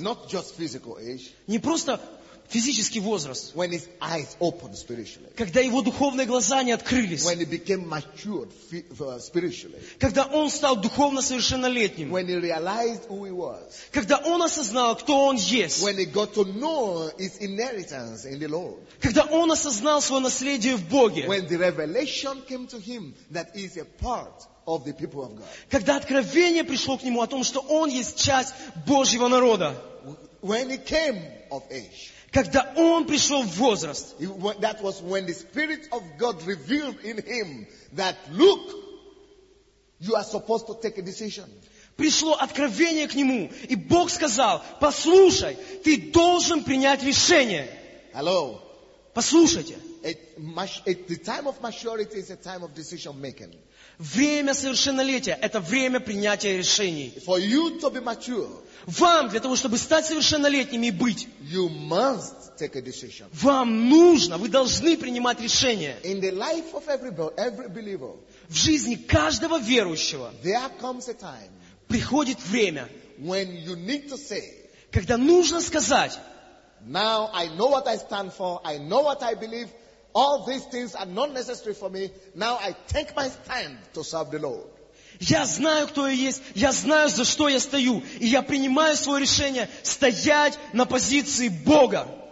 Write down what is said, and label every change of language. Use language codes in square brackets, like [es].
[en] Not just physical age. [ru] Не просто физический возраст. [en] When his eyes opened spiritually. [ru] Когда его духовные глаза не открылись. [en] When he became matured spiritually. [ru] Когда он стал духовно совершеннолетним. [en] When he realized who he was. [ru] Когда он осознал, кто он есть. [en] When he got to know his inheritance in the Lord. [ru] Когда он осознал свое наследие в Боге. [en] When the revelation came to him that he is a part of the people of God. [ru] Когда откровение пришло к нему о том, что он есть часть Божьего народа. [en] When he came of age. [ru] Когда он пришел в возраст. [en] That was when the Spirit of God revealed in him that, look, you are supposed to take a decision. [ru] Пришло откровение к нему, и Бог сказал, послушай, ты должен принять решение. [en] Hello. [ru] Послушайте. [en] The time of maturity is a time of decision making. [ru] Время совершеннолетия – это время принятия решений. [en] For you to be mature. [ru] Вам, для того, чтобы стать совершеннолетними и быть, [en] you must take a decision. [ru] Вам нужно, вы должны принимать решение. [en] In the life of every believer, [ru] в жизни каждого верующего [en] there comes a time, [ru] приходит время, [en] when you need to say, [ru] когда нужно сказать, [en] now I know what I stand for, I know what I believe, all these things are not necessary for me, now I take my stand to serve the Lord. [ru] Я знаю, кто я есть, я знаю, за что я стою, и я принимаю свое решение стоять на позиции Бога.